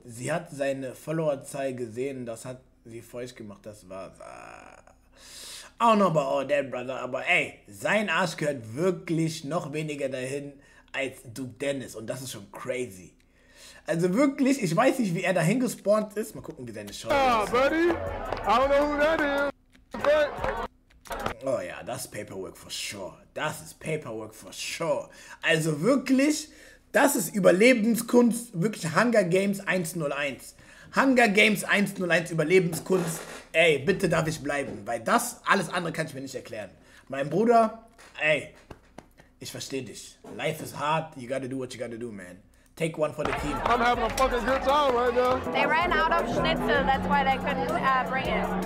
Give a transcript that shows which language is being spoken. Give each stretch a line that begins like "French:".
German: Sie hat seine Followerzahl gesehen, das hat sie feucht gemacht, das war's.
English: I don't know about all that, brother,
German: aber ey, sein Arsch gehört wirklich noch weniger dahin als Duke Dennis und das ist schon crazy. Also wirklich, ich weiß nicht, wie er dahin gespawnt ist. Mal gucken, wie seine Show ist.
English: Ah, buddy, I don't know who that is, but...
German: Oh ja, das ist Paperwork
English: for sure.
German: Das ist Paperwork for sure. Also wirklich, das ist Überlebenskunst, wirklich Hunger Games 101. Hunger Games 101 Überlebenskunst. Ey, bitte darf ich bleiben, weil das, alles andere kann ich mir nicht erklären. Mein Bruder, ey, ich verstehe dich.
English: Life is hard, you gotta do what you gotta do, man. Take one for the team. I'm having a fucking good time right now. They ran out of schnitzel, that's why they couldn't bring it.